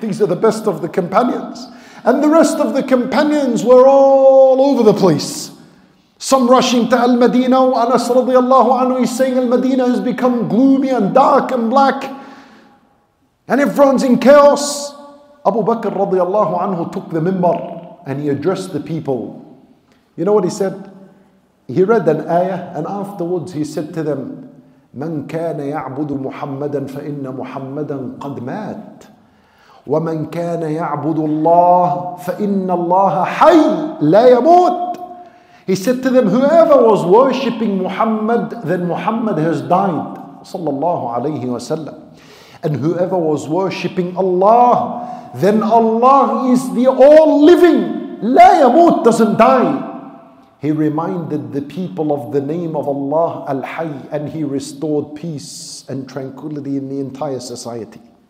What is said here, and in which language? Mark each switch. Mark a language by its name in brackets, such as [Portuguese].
[English] These are the best of the companions. And the rest of the companions were all over the place. Some rushing to Al-Madinah. Anas radiallahu anhu is saying Al-Madinah has become gloomy and dark and black. And everyone's in chaos. Abu Bakr radiallahu anhu took the minbar and he addressed the people. You know what he said? He read an ayah and afterwards he said to them, [Arabic] مَنْ كَانَ يَعْبُدُ مُحَمَّدًا فَإِنَّ مُحَمَّدًا قَدْ مَاتْ وَمَنْ كَانَ يَعْبُدُ اللَّهَ فَإِنَّ اللَّهَ حَيٌّ لَا يَمُوتُ. [English] He said to them, whoever was worshipping Muhammad, then Muhammad has died, [Arabic] صلى الله عليه وسلم. [English] And whoever was worshipping Allah, then Allah is the all-living. [Arabic] لَا يَمُوتُ [English] doesn't die. He reminded the people of the name of Allah Al-Hayy and he restored peace and tranquility in the entire society.